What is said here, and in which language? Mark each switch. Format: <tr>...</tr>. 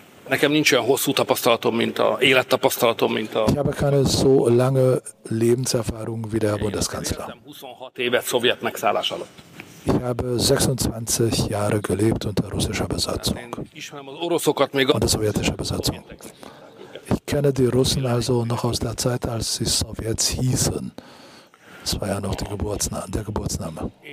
<hu>Nekem nincs olyan hosszú tapasztalatom, mint a élettapasztalatom, mint a...</hu> <de>Ich habe keine so lange Lebenserfahrung wie der Bundeskanzler.</de> <hu>26 évet szovjet megszállás alatt.</hu> <de>Ich habe 26 Jahre gelebt unter russischer Besatzung. Und der sowjetischer Besatzung. Ich kenne die Russen also noch aus der Zeit, als sie Sowjets hießen. Das war ja noch der Geburtsname.</de>